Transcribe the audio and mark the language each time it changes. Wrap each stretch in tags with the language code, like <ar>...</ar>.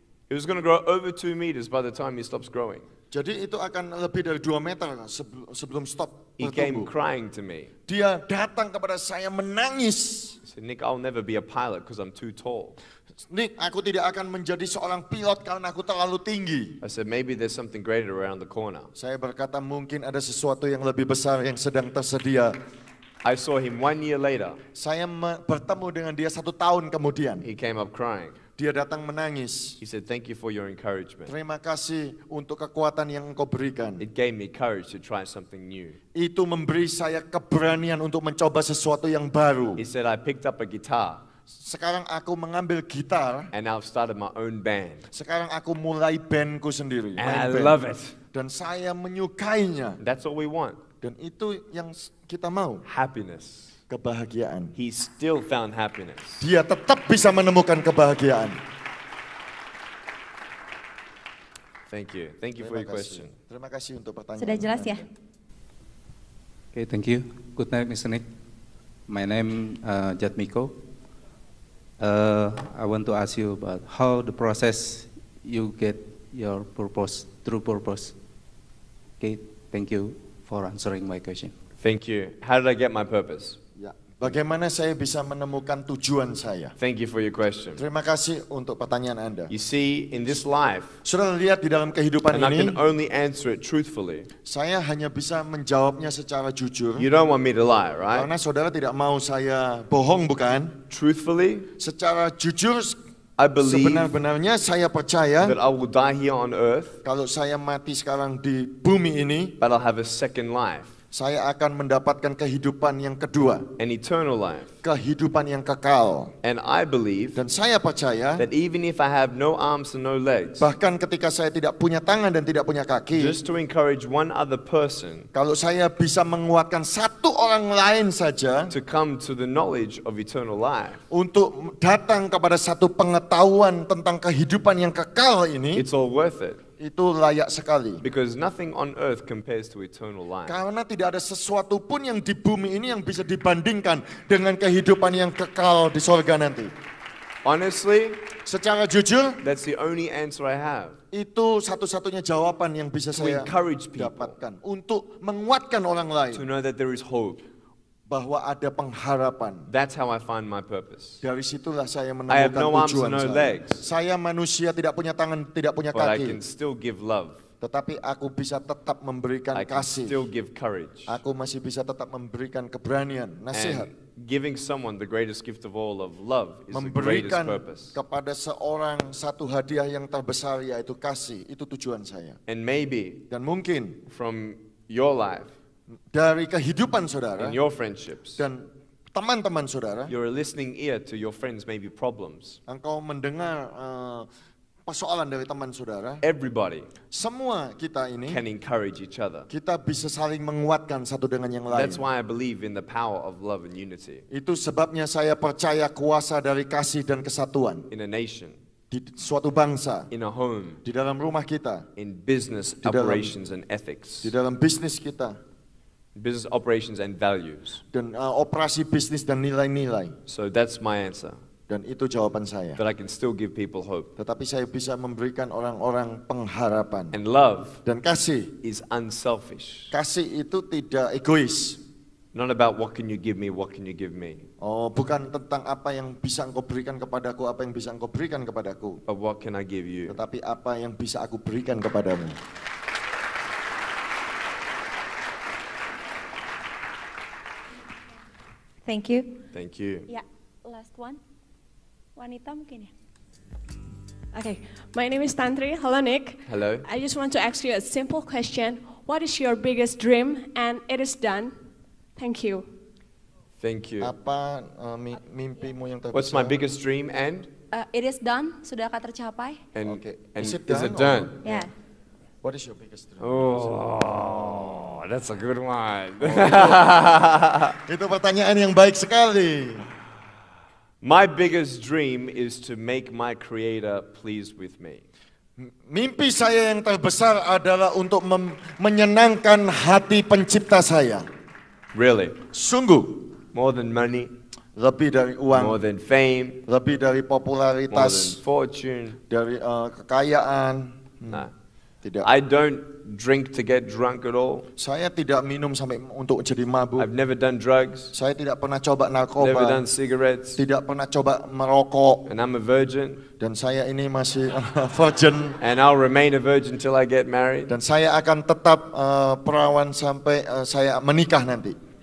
<en>It was going to grow over 2 meters by the time he stops growing.</en> <id>Jadi itu akan lebih dari 2 meter sebelum stop bertumbuh.</id> <en>He came crying to me.</en> <id>Dia datang kepada saya menangis.</id> <en>He said, Nick, I'll never be a pilot because I'm too tall.</en> <id>Nick, aku tidak akan menjadi seorang pilot karena aku terlalu tinggi.</id> <en>I said, maybe there's something greater around the corner.</en> <id>Saya berkata mungkin ada sesuatu yang lebih besar yang sedang tersedia.</id> <en>I saw him 1 year later.</en> <id>Saya bertemu dengan dia 1 tahun kemudian.</id> <en>He came up crying.</en> <id>Dia datang menangis.</id> <en>He said, thank you for your encouragement.</en> <id>Terima kasih untuk kekuatan yang engkau berikan.</id> <en>It gave me courage to try something new.</en> <id>Itu memberi saya keberanian untuk mencoba sesuatu yang baru.</id> <en>He said, I picked up a guitar.</en> <id>Sekarang aku mengambil gitar.</id> <en>And I've started my own band.</en> <id>Sekarang aku mulai bandku sendiri.</id> <en>And I band. Love it.</en> <id>Dan saya menyukainya.</id> <en>That's all we want.</en> <id>Dan itu yang kita mau.</id> <en>Happiness.</en> <id>Kebahagiaan.</id> <en>He still found happiness.</en> <id>Dia tetap bisa menemukan kebahagiaan.</id> <en>Thank you. Thank you for your question.</en> <id>Terima kasih untuk pertanyaan. Sudah jelas ya?</id> <en>Okay, thank you. Good night, Mr. Nick. My name Jatmiko. I want to ask you about how the process you get your purpose, true purpose. Okay, thank you for answering my question. Thank you. How did I get my purpose? Yeah.</en> <id>Bagaimana saya bisa menemukan tujuan saya?</id> <en>Thank you for your question.</en> <id>Terima kasih untuk pertanyaan Anda.</id> <en>You see, in this life,</en> <id>sudah lihat di dalam kehidupan</id> <en>and</en> <id>ini,</id> <en>I can only answer it truthfully.</en> <id>Saya hanya bisa menjawabnya secara jujur.</id> <en>You don't want me to lie, right?</en> <id>Karena saudara tidak mau saya bohong, bukan?</id> <en>Truthfully,</en> <id>secara jujur,</id> <en>I believe</en> <id>sebenar-benarnya saya percaya</id> <en>that I will die here on earth.</en> <id>Kalau saya mati sekarang di bumi ini,</id> <en>but I'll have a second life.</en> <id>Saya akan mendapatkan kehidupan yang kedua.</id> <en>An eternal life.</en> <id>Kehidupan yang kekal.</id> <en>And I believe.</en> <id>Dan saya percaya.</id> <en>That even if I have no arms and no legs.</en> <id>Bahkan ketika saya tidak punya tangan dan tidak punya kaki.</id> <en>Just to encourage one other person.</en> <id>Kalau saya bisa menguatkan satu orang lain saja.</id> <en>To come to the knowledge of eternal life.</en> <id>Untuk datang kepada satu pengetahuan tentang kehidupan yang kekal ini.</id> <en>It's all worth it.</en> <id>Itu layak sekali.</id> <en>Because nothing on earth compares to eternal life.</en> <id>Karena tidak ada sesuatu pun yang di bumi ini yang bisa dibandingkan dengan kehidupan yang kekal di surga nanti.</id> <en>Honestly,</en> <id>secara jujur,</id> <en>that's the only answer I have.</en> <id>Itu satu-satunya jawaban yang bisa saya dapatkan untuk menguatkan orang lain.</id> <en>To know that there is hope.</en> <id>Bahwa ada pengharapan.</id> <en>That's how I find my purpose.</en> <id>Dari situlah saya menemukan tujuan saya. Saya manusia tidak punya tangan, tidak punya kaki.</id> <en>But I can still give love.</en> <id>Tetapi aku bisa tetap memberikan kasih.</id> <en>I can still give courage.</en> <id>Aku masih bisa tetap memberikan keberanian, nasihat.</id> <en>Giving someone the greatest gift of all of love is the greatest purpose.</en> <id>Kepada seorang satu hadiah yang terbesar yaitu kasih, itu tujuan saya.</id> <en>And maybe</en> <id>dan mungkin</id> <en>from your life</en> <id>dari kehidupan saudara</id> <en>and your friendships,</en> <id>dan teman-teman saudara,</id> <en>you're a listening ear to your friends maybe problems.</en> <id>Engkau mendengar persoalan dari teman saudara.</id> <en>Everybody,</en> <id>semua kita ini</id> <en>can encourage each other.</en> <id>Kita bisa saling menguatkan satu dengan yang lain.</id> <en>That's why I believe in the power of love and unity.</en> <id>Itu sebabnya saya percaya kuasa dari kasih dan kesatuan.</id> <en>In a nation,</en> <id>di suatu bangsa,</id> <en>in a home,</en> <id>di dalam rumah kita,</id> <en>in business operations and ethics,</en> <id>di dalam bisnis kita,</id> <en>business operations and values.</en> <id>Dan operasi bisnis dan nilai-nilai.</id> <en>So that's my answer.</en> <id>Dan itu jawaban saya.</id> <en>That I can still give people hope.</en> <id>Tetapi saya bisa memberikan orang-orang pengharapan.</id> <en>And love.</en> <id>Dan kasih.</id> <en>Is unselfish.</en> <id>Kasih itu tidak egois.</id> <en>Not about what can you give me, what can you give me.</en> <id>Oh, bukan tentang apa yang bisa engkau berikan kepadaku, apa yang bisa engkau berikan kepadaku.</id> <en>But what can I give you?</en> <id>Tetapi apa yang bisa aku berikan kepadamu.</id> <en>Thank you. Thank you. Yeah, last one.</en> <id>Wanita mungkin ya.</id> <en>Okay, my name is Tantri. Hello, Nick. Hello. I just want to ask you a simple question. What is your biggest dream and it is done? Thank you. Thank you.</en> <id>Apa mimpimu yang terbesar?</id> <en>What's my biggest dream and? It is done.</en> <id>Sudahkah tercapai?</id> <en>And, okay. And is it done? Is it done? Or? Yeah. What is your biggest dream? Oh, that's a good one.</en> <id>Itu pertanyaan yang baik sekali.</id> <en>My biggest dream is to make my creator pleased with me.</en> <id>Mimpi saya yang terbesar adalah untuk menyenangkan hati pencipta saya.</id> <en>Really?</en> <id>Sungguh.</id> <en>More than money.</en> <id>Lebih dari uang.</id> <en>More than fame.</en> <id>Lebih dari popularitas.</id> <en>More than fortune.</en> <id>Dari kekayaan.</id> <en>Nah.</en> <id>Tidak.</id> <en>I don't drink to get drunk at all.</en> <id>Saya tidak minum sampai untuk jadi mabuk.</id> <en>I've never done drugs.</en> <id>Saya tidak pernah coba narkoba.</id> <en>Never done cigarettes.</en> <id>Tidak pernah coba merokok.</id> <en>And I'm a virgin.</en> <id>Dan saya ini masih virgin.</id> <en>And I'll remain a virgin till I get married.</en> <id>Dan saya akan tetap perawan sampai saya menikah nanti.</id>